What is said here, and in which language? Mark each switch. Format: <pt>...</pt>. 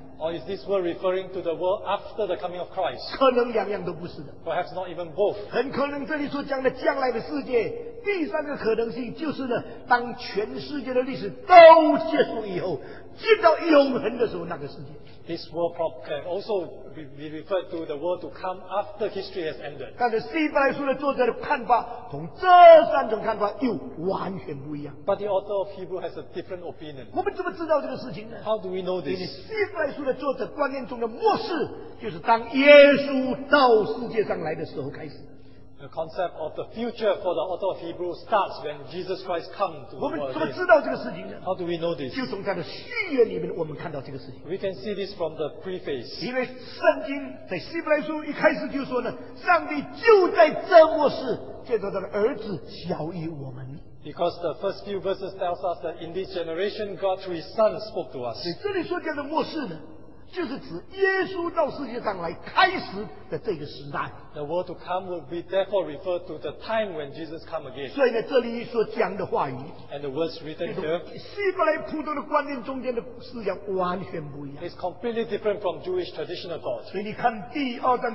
<en>Or is this world referring to the world after the coming of Christ?</en> <zh>可能两样都不是的。</zh> <en>Perhaps not even both.</en> <zh>很可能这里所讲的将来的世界, 第三个可能性就是呢, 当全世界的历史都结束以后, 进到永恒的时候那个世界。</zh> <en>This world can also be referred to the world to come after history has ended.</en> <zh>但是希伯来书的作者的看法同这三种看法又完全不一样。</zh> <en>But the author of Hebrew has a different opinion.</en> <zh>我们怎么知道这个事情呢?</zh> <en>How do we know this?</en> <zh>因为希伯来书的作者观念中的末世就是当耶稣到世界上来的时候开始。</zh> <en>The concept of the future for the author of Hebrews starts when Jesus Christ comes to the world.</en> <zh>我们怎么知道这个事情呢?</zh> <en>How do we know this?</en> <zh>就从他的序言里面我们看到这个事情。</zh> <en>We can see this from the preface.</en> <zh>因为圣经在希伯来书一开始就说呢, 上帝就在这末世, 借着他的儿子晓谕我们。</zh> <en>Because the first few verses tells us that in this generation, God through His Son spoke to us.</en> <zh>所以这里说这样的末世呢, 就是指耶稣到世界上来开始的这个时代。</zh> <en>The world to come will be therefore referred to the time when Jesus come again.</en> <zh>所以呢，这里所讲的话语</zh> <en>and the words written here,</en> <zh>希伯来普通的观念中间的思想完全不一样。</zh> <en>It's completely different from Jewish traditional thought.</en>